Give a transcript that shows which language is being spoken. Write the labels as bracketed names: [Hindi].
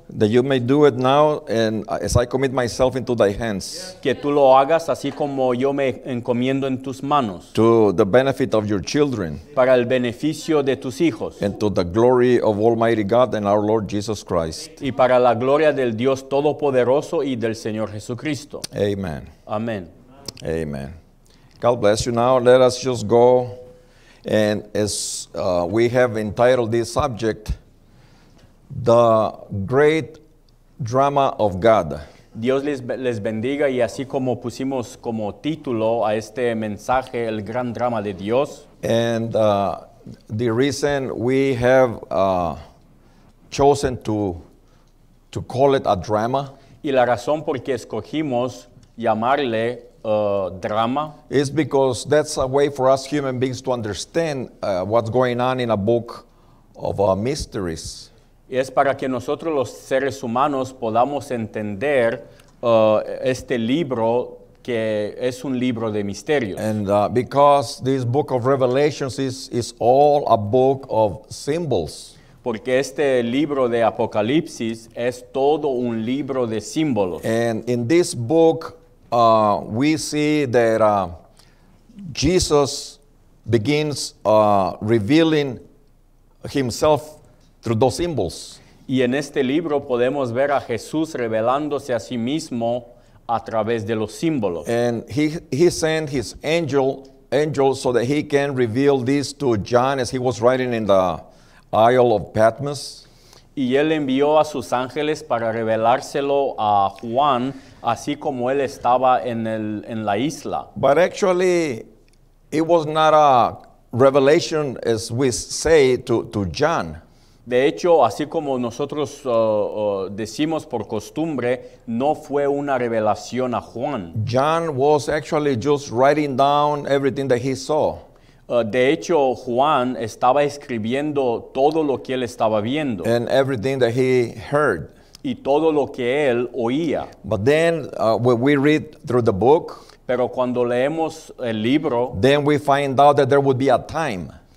[English] That you may do it now, and as I commit myself into thy hands. [Spanish] Que tú lo hagas así como yo me encomiendo en tus manos. [English] To the benefit of your children. [Spanish] Para el beneficio de tus hijos. [English] And to the glory of Almighty God and our Lord Jesus Christ. [Spanish] Y para la gloria del Dios Todopoderoso y del Señor Jesucristo. [English] Amen. [Spanish] Amen. [English] Amen. God bless you now. Let us just go. And as we have entitled this subject, the great drama of God. [Spanish] Dios les bendiga, y así como pusimos como título a este mensaje, el gran drama de Dios. [English] And the reason we have chosen to call it a drama. [Spanish] Y la razón por qué escogimos llamarle drama. [English] Is because that's a way for us human beings to understand what's going on in a book of mysteries. [Spanish] Es para que nosotros los seres humanos podamos entender este libro que es un libro de misterios. [English] And because this book of Revelations is all a book of symbols. [Spanish] Porque este libro de Apocalipsis es todo un libro de símbolos. [English] And in this book, we see that Jesus begins revealing himself through those symbols. [Spanish] Y en este libro podemos ver a Jesús revelándose a sí mismo a través de los símbolos. [English] And he sent his angel so that he can reveal this to John as he was writing in the Isle of Patmos. [Spanish] Y él envió a sus ángeles para revelárselo a Juan, así como él estaba en la isla. [English] But actually, it was not a revelation, as we say, to John. [Spanish] De hecho, así como nosotros decimos por costumbre, no fue una revelación a Juan. [English] John was actually just writing down everything that he saw. [Spanish] De hecho, Juan estaba escribiendo todo lo que él estaba viendo. [English] And everything that he heard. [Spanish] Y todo lo que él oía. [English] But then, when we read through the book, [Spanish] pero cuando leemos el libro, [English] then we find out that there would be a time.